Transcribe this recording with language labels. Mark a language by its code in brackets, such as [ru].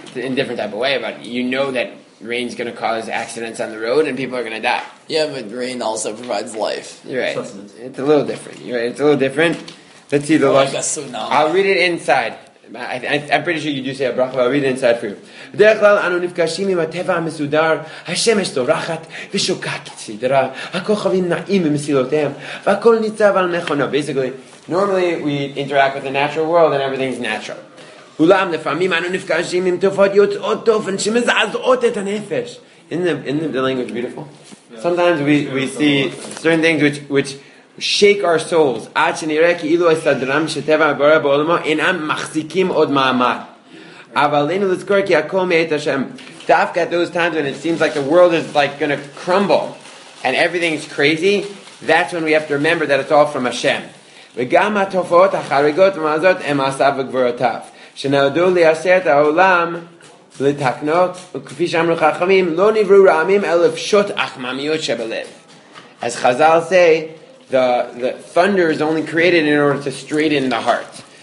[en] In a different type of way, but you know that rain's going to cause accidents on the road and people are going to die. Yeah, but rain also provides life. You're right. It's a little different. You're right. It's a little different. Let's see the last. Like a tsunami. I'll read it inside. I'm pretty sure you do say a bracha, but I'll read it inside for you. [he] בדרך כלל אנו נפגשים עם הטבע המסודר, השמש תורחת ושוקעת סדרה, הכוכבים נעים במסילותיהם, והכל ניצב על מכונו. [en] Basically, normally we interact with the natural world and everything's natural. [he] אולם לפעמים אנו נפגשים עם תופעות יוצאות דופן שמזעזעות את הנפש. [en] Isn't the language beautiful? Sometimes we see certain things which shake our souls. [he] עד שנראה כאילו הסדרם שטבע מבורא בעולמו אינם מחזיקים עוד מעמד. [en] Dafka, at those times when it seems like the world is like going to crumble and everything is crazy, that's when we have to remember that it's all from Hashem. And as Chazal say, the thunder is only created in order to straighten the heart.